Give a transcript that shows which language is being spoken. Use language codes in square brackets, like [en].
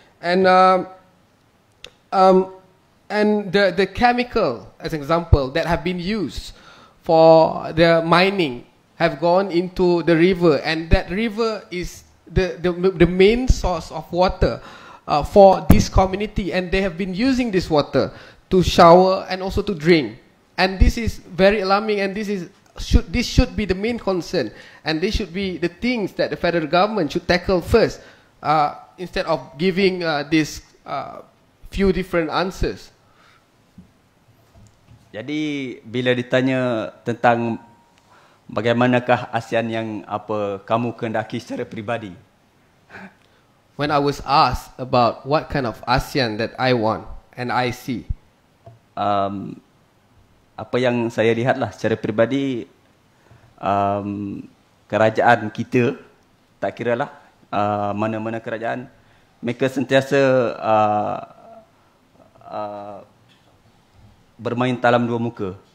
[en] And the chemical, as an example, that have been used for the mining have gone into the river, and that river is the main source of water for this community, and they have been using this water to shower and also to drink. And this is very alarming, and this should be the main concern, and this should be the things that the federal government should tackle first, instead of giving this few different answers. [ms] Jadi bila ditanya tentang bagaimanakah ASEAN yang apa kamu kehendaki secara peribadi, [en] when I was asked about what kind of ASEAN that I want and I see, [ms] apa yang saya lihatlah secara peribadi, kerajaan kita, tak kiralah mana-mana kerajaan, mereka sentiasa bermain talam dua muka.